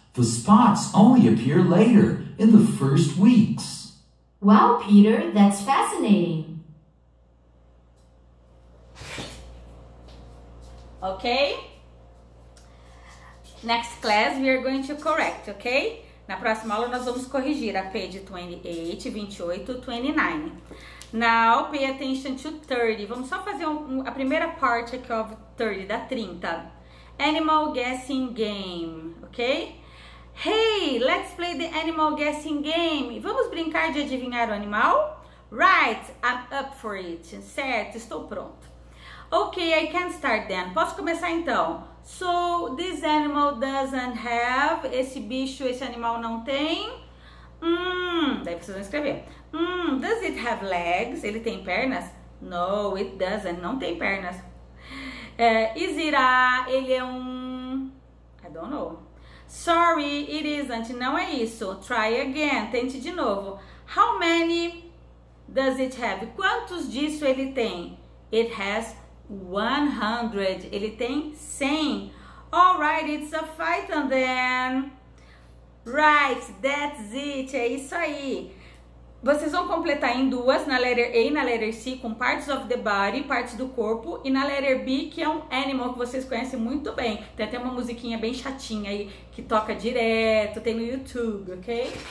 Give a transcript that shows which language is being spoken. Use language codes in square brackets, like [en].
[en] The spots only appear later, in the first weeks. Wow, Peter, that's fascinating. Okay? Next class, we are going to correct, okay? [pt] Na próxima aula, nós vamos corrigir a page 28, 29. [en] Now, pay attention to 30. [pt] Vamos só fazer a primeira parte aqui, of 30, da 30. [en] Animal guessing game, ok? Hey, let's play the animal guessing game. [pt] Vamos brincar de adivinhar o animal? [en] Right, I'm up for it. [pt] Certo, estou pronto. [en] Okay, I can start then. [pt] Posso começar então? [en] So, this animal doesn't have. [pt] Esse bicho, esse animal não tem. Daí vocês vão escrever. [en] Does it have legs? [pt] Ele tem pernas? [en] No, it doesn't. [pt] Não tem pernas. Ele é um. [en] I don't know. Sorry, it isn't. [pt] Não é isso. [en] Try again. [pt] Tente de novo. [en] How many does it have? [pt] Quantos disso ele tem? [en] It has 100. [pt] Ele tem 100. [en] All right, it's a fight and then. Right, that's it. [pt] É isso aí. Vocês vão completar em duas, na letter A e na letter C, com parts of the body, partes do corpo, e na letter B, que é um animal que vocês conhecem muito bem. Tem até uma musiquinha bem chatinha aí, que toca direto, tem no YouTube, ok?